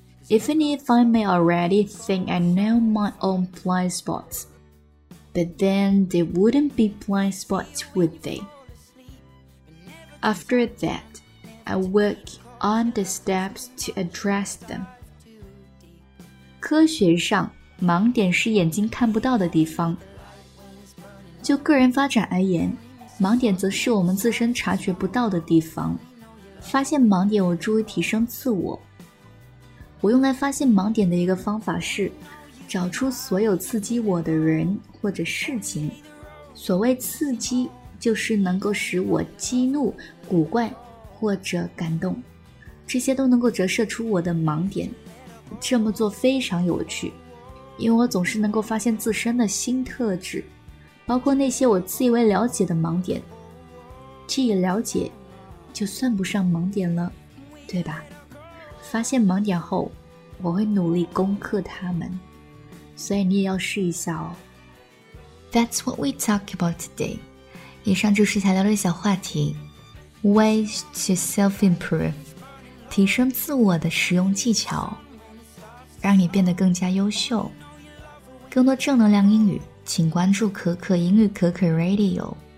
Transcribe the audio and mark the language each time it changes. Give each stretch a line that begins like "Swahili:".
English: Even if I may already think I know my own blind spots,But then they wouldn't be blind spots, would they? After that, I work on the steps to address them.
Chinese: 科学上，盲点是眼睛看不到的地方。就个人发展而言，盲点则是我们自身察觉不到的地方。发现盲点有助于提升自我。我用来发现盲点的一个方法是找出所有刺激我的人或者事情。所谓刺激，就是能够使我激怒、古怪或者感动，这些都能够折射出我的盲点。这么做非常有趣，因为我总是能够发现自身的新特质，包括那些我自以为了解的盲点。这一了解就算不上盲点了，对吧？发现盲点后，我会努力攻克它们，所以你也要试一下哦。
English: That's what we talk about today.
Chinese: 以上就是材料的小话题
English: Ways to self-improve.
Chinese: 提升自我的实用技巧，让你变得更加优秀。更多正能量英语，请关注可可英语可可 Radio.